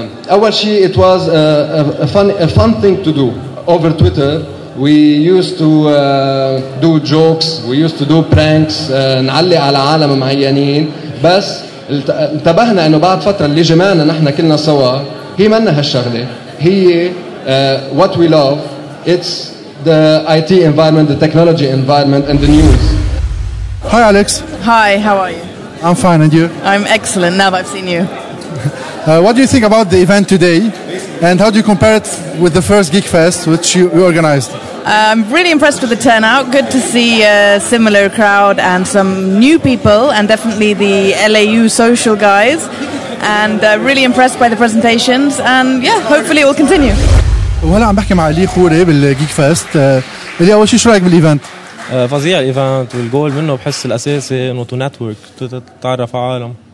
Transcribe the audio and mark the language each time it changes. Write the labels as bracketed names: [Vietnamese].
[Arabic] اول شيء [English] it was a fun thing to do over Twitter. We used to do jokes, we used to do pranks, [Arabic] نعلي على عالم معينين. بس انتبهنا انه بعد فترة اللي جمعنا نحن كلنا سوا هي منا هالشغلة, هي [English] what we love. It's the IT environment, the technology environment and the news. Hi Alex. Hi, how are you? I'm fine, and you? I'm excellent, now that I've seen you. What do you think about the event today? And how do you compare it with the first GeekFest, which you organized? I'm really impressed with the turnout. Good to see a similar crowd and some new people, and definitely the LAU social guys. And really impressed by the presentations. And yeah, hopefully it will continue. Well, I'm talking with Elie Khoury at the GeekFest. Elie, what do you think about the event? [Arabic] فظيع الايفنت, والجول منه بحس الاساسي انه [English] to network, [Arabic] تتعرف على عالم.